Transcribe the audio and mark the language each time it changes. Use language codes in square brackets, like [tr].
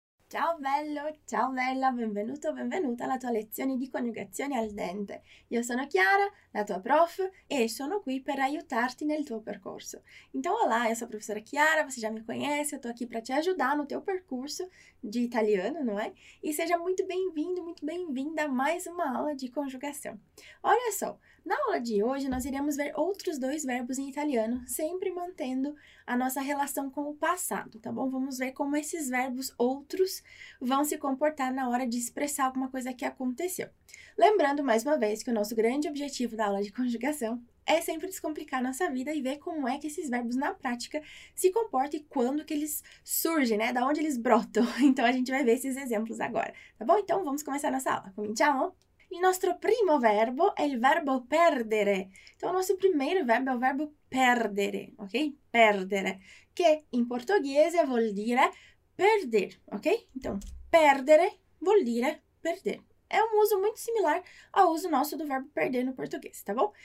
[it] Ciao bello, ciao bella, benvenuto, benvenuta alla tua lezione di coniugazione al dente. Io sono Chiara, la tua prof, e sono qui per aiutarti nel tuo percorso. [pt] Então, olá, eu sou a professora Chiara, você já me conhece, eu estou aqui para te ajudar no teu percurso de italiano, não é? E seja muito bem-vindo, muito bem-vinda a mais uma aula de conjugação. Olha só, na aula de hoje nós iremos ver outros dois verbos em italiano, sempre mantendo a nossa relação com o passado, tá bom? Vamos ver como esses verbos outros vão se comportar na hora de expressar alguma coisa que aconteceu. Lembrando mais uma vez que o nosso grande objetivo da aula de conjugação é sempre descomplicar nossa vida e ver como é que esses verbos na prática se comportam e quando que eles surgem, né? Da onde eles brotam. Então a gente vai ver esses exemplos agora, tá bom? Então vamos começar nossa aula. [it] Cominciamo? Il nostro primo verbo è il verbo perdere. Então, il nostro primo verbo è il verbo perdere, ok? Perdere, che in portoghese vuol dire perder, ok? Então, perdere vuol dire perder. È un uso molto similare al uso nostro del verbo perdere no portoghese, [pt] tá bom?